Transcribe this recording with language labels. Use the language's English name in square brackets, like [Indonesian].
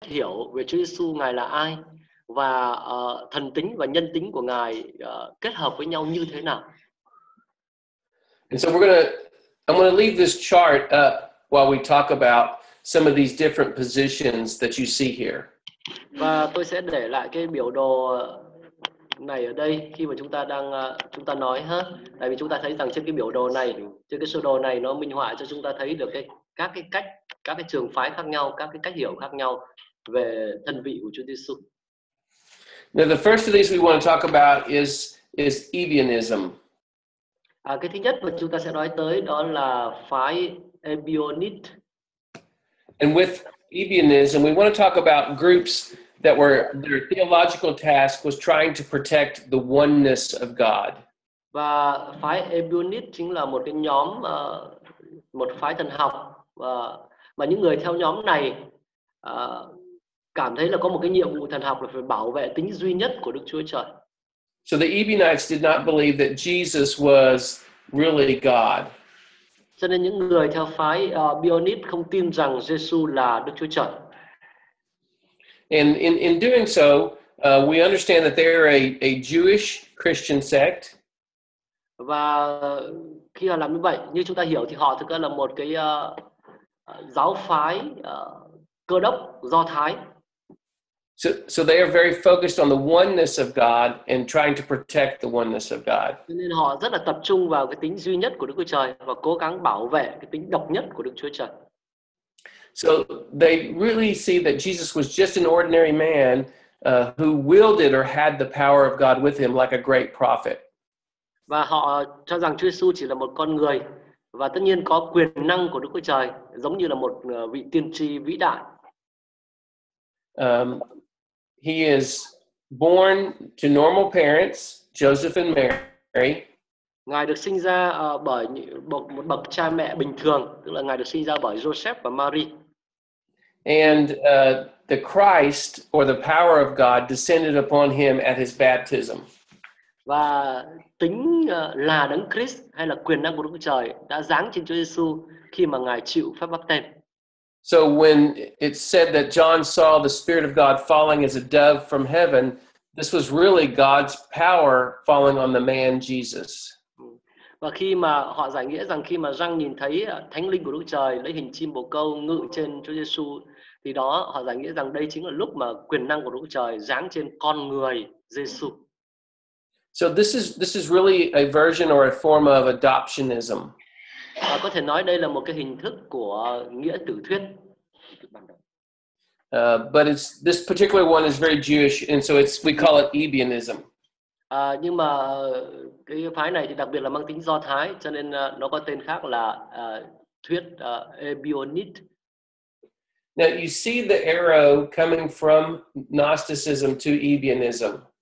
[Vietnamese] hiểu về Chúa Giêsu Ngài là ai và thần tính và nhân tính của Ngài kết hợp với nhau như thế nào. [English] And so I'm going to leave this chart up while we talk about some of these different positions that you see here. [Vietnamese] Và tôi sẽ để lại cái biểu đồ này ở đây khi mà chúng ta nói ha. Tại vì chúng ta thấy rằng trên cái biểu đồ này, trên cái sơ đồ này nó minh họa cho chúng ta thấy được các cái trường phái khác nhau, các cái cách hiểu khác nhau về thân vị của Chúa Giêsu. [English] Now the first of these we want to talk about is Ebionism. [Vietnamese] Cái thứ nhất mà chúng ta sẽ nói tới đó là phái Ebionist. [English] And with Ebionism, we want to talk about groups that were, their theological task was trying to protect the oneness of God. [Vietnamese] Và phái Ebionist chính là một cái nhóm, một phái thần học. Mà những người theo nhóm này cảm thấy là có một cái nhiệm vụ thần học là phải bảo vệ tính duy nhất của Đức Chúa Trời. [English] So the Ebionites did not believe that Jesus was really God. [Vietnamese] Cho nên những người theo phái Ebionist không tin rằng Giêsu là Đức Chúa Trời. [English] And in doing so, we understand that they are a Jewish Christian sect. [Vietnamese] Và khi họ làm như vậy, như chúng ta hiểu thì họ thực ra là một cái giáo phái Cơ Đốc Do Thái. [English] So they are very focused on the oneness of God and trying to protect the oneness of God. [Vietnamese] Nên họ rất là tập trung vào cái tính duy nhất của Đức Chúa Trời và cố gắng bảo vệ cái tính độc nhất của Đức Chúa Trời. [English] So they really see that Jesus was just an ordinary man who wielded or had the power of God with him like a great prophet. [Vietnamese] Và họ cho rằng Chúa Giêsu chỉ là một con người và tất nhiên có quyền năng của Đức Chúa Trời giống như là một vị tiên tri vĩ đại. [English] He is born to normal parents, Joseph and Mary. [Vietnamese] Ngài được sinh ra bởi một bậc cha mẹ bình thường, tức là Ngài được sinh ra bởi Joseph và Mary. [English] And the Christ or the power of God descended upon him at his baptism. [Vietnamese] Và tính là Đấng Christ hay là quyền năng của Đức Chúa Trời đã giáng trên Chúa Giêsu khi mà Ngài chịu phép báp têm. [English] So when it said that John saw the Spirit of God falling as a dove from heaven, this was really God's power falling on the man Jesus. [Vietnamese] Và khi mà họ giải nghĩa rằng khi mà răng nhìn thấy thánh linh của Đức Trời lấy hình chim bồ câu ngự trên Chúa Giêsu, thì đó họ giải nghĩa rằng đây chính là lúc mà quyền năng của Đức Trời giáng trên con người Giêsu. [English] So this is really a version or a form of adoptionism. [Vietnamese] Có thể nói đây là một cái hình thức của nghĩa tử thuyết. [English] But it's this particular one is very Jewish, and so it's we call it Ebionism. [Vietnamese] Nhưng mà cái phái này thì đặc biệt là mang tính Do Thái, cho nên nó có tên khác là thuyết Ebionist. [English] Now you see the arrow coming from Gnosticism to Ebionism.